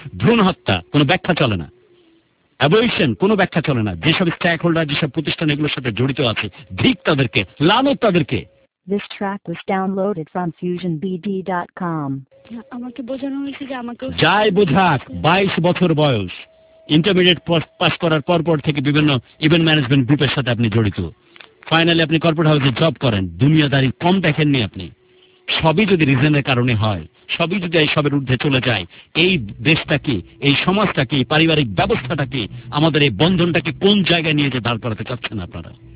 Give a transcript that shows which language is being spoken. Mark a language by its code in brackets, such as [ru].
[bn] ভ্রূণ হত্যা কোনো ব্যাখ্যা চলে না, অ্যাবলিশন কোনো ব্যাখ্যা চলে না। যেসব স্ট্যাক হোল্ডার, যেসব প্রতিষ্ঠান এগুলোর সাথে জড়িত আছে, ধিক তাদেরকে, লানত তাদেরকে। [en] This track was downloaded from fusionbd.com. [bn] আমাকে বোঝানো হয়েছে যে আমাকে যাই বোঝাক, 22 বছর বয়স, ইন্টারমিডিয়েট পাস করার পর পর থেকে বিভিন্ন ইভেন্ট ম্যানেজমেন্ট গ্রুপের সাথে আপনি জড়িত, ফাইনালি আপনি কর্পোরেট হাউসে জব করেন, দুনিয়াদারি কম দেখেননি আপনি, সবই যদি রিজনের কারণে হয়, সবই যদি এই সবের ঊর্ধ্বে চলে যায়, এই দেশটাকে, এই সমাজটাকে, এই পারিবারিক ব্যবস্থাটাকে, আমাদের এই বন্ধনটাকে কোন জায়গায় নিয়ে যেতে দাঁড় করাতে চাচ্ছেন আপনারা?